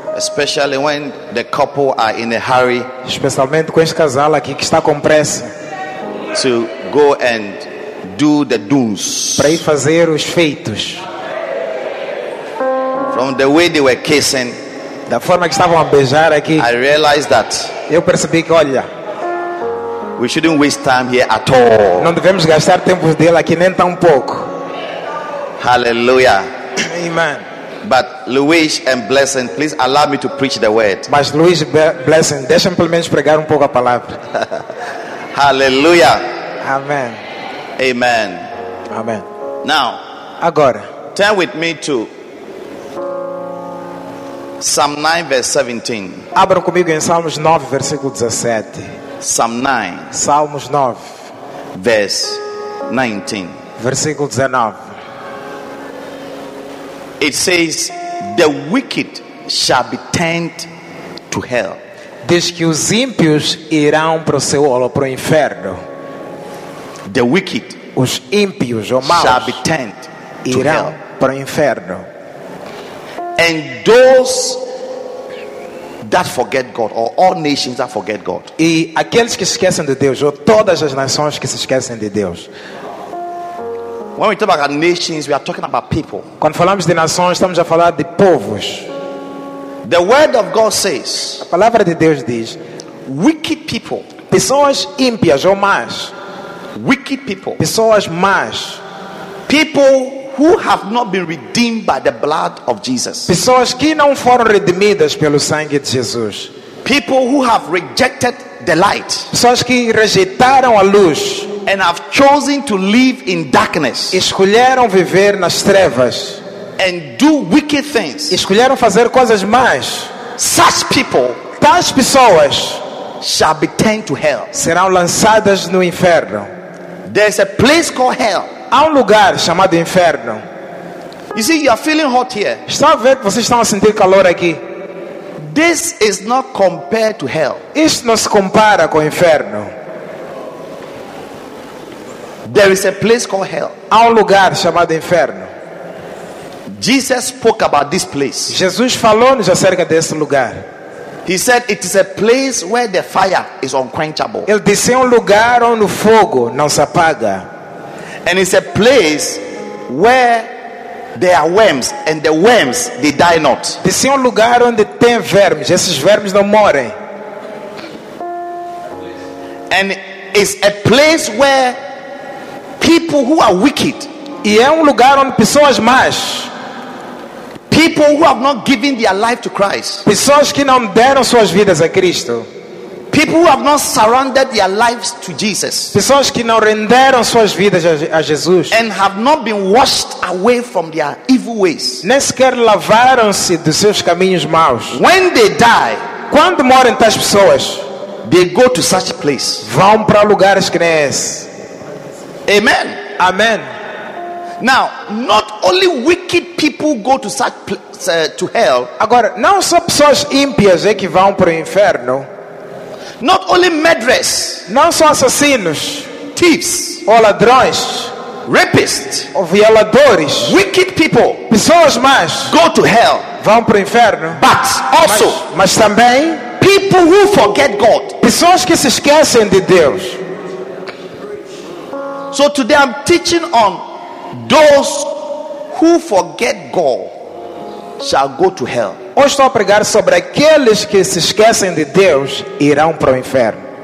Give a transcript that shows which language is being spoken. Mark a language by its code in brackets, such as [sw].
[en] Especially when the couple are in a hurry. [pt] Especialmente com este casal aqui que está com pressa. [en] To go and do the do's. [pt] Para ir fazer os feitos. [en] From the way they were kissing. [pt] Da forma que estavam a beijar aqui. [en] I realized that. [pt] Eu percebi que olha. [en] We shouldn't waste time here at all. [pt] Não devemos gastar tempo dele aqui nem tão pouco. [en] Hallelujah. [pt] Amen. [en] But Luiz and Blessing, please allow me to preach the word. [pt] Mas Luiz Blessing, deixa-me pelo menos pregar pouco a palavra. [en] Hallelujah. [pt] Amen. [en] Amen. [pt] Amen. [en] Now, [pt] agora, [en] turn with me to Psalm 9 verse 17. [pt] Abra comigo em Salmos 9 versículo 17. [en] Psalm 9. [pt] Salmos 9 [en] verse 19. [pt] Versículo 19. [en] It says the wicked shall be turned to hell. [pt] Diz que os ímpios irão para o seu olho, para o inferno. [en] The wicked, [pt] os ímpios ou maus, [en] shall be turned [pt] irão [en] to hell. [pt] Para o inferno. [en] And those that forget God, or all nations that forget God. [pt] E aqueles que se esquecem de Deus, ou todas as nações que se esquecem de Deus. [en] When we talk about nations, we are talking about people. [pt] Quando falamos de nações, estamos a falar de povos. [en] The word of God says, [pt] a palavra de Deus diz, [en] wicked people, [pt] pessoas ímpias ou más, [en] wicked people, [pt] pessoas más, [en] people who have not been redeemed by the blood of Jesus, [pt] pessoas que não foram redimidas pelo sangue de Jesus, [en] people who have rejected the light, [pt] pessoas que rejeitaram a luz. [en] And have chosen to live in darkness. [pt] Escolheram viver nas trevas. [en] And do wicked things. [pt] Escolheram fazer coisas más. [en] Such people, [pt] tais pessoas, [en] shall be turned to hell. [pt] Serão lançadas no inferno. [en] There's a place called hell. [pt] Há lugar chamado inferno. [en] You see, you are feeling hot here. [pt] Está a ver que vocês estão a sentir calor aqui. [en] This is not compared to hell. [pt] Isso não se compara com o inferno. [en] There is a place called hell. [pt] Há lugar chamado inferno. [en] Jesus spoke about this place. [pt] Jesus falou-nos acerca desse lugar. [en] He said it is a place where the fire is unquenchable. [pt] Ele disse lugar onde o fogo não se apaga. [en] And it's a place where there are worms and the worms they die not. [pt] Disse lugar onde tem vermes, esses vermes não morrem. [en] And it's a place where people who are wicked, [pt] e é lugar onde pessoas más, [en] people who have not given their life to Christ, [pt] pessoas que não deram suas vidas a Cristo, [en] people who have not surrendered their lives to Jesus, [pt] pessoas que não renderam suas vidas a Jesus, [en] and have not been washed away from their evil ways, [pt] nem sequer lavaram-se dos seus caminhos maus. [en] When they die, [pt] quando morrem tais pessoas, [en] they go to such a place, [pt] vão para lugares que nem esse. [en] Amen. [pt] Amen. [en] Now, not only wicked people go to such to hell. [pt] Agora, não só pessoas ímpias é que vão para o inferno. [en] Not only murderers. [pt] Não só assassinos. [en] Thieves. [pt] Ou ladrões. [en] Rapists. [pt] Ou violadores. [en] Wicked people. [pt] Pessoas más. [en] Go to hell. [pt] Vão para o inferno. [en] But also. [pt] Mas também. [en] People who forget God. [pt] Pessoas que se esquecem de Deus. [en] So today I'm teaching on those who forget God shall go to hell. [pt] Hoje estou a pregar sobre aqueles que se esquecem de Deus irão para o inferno.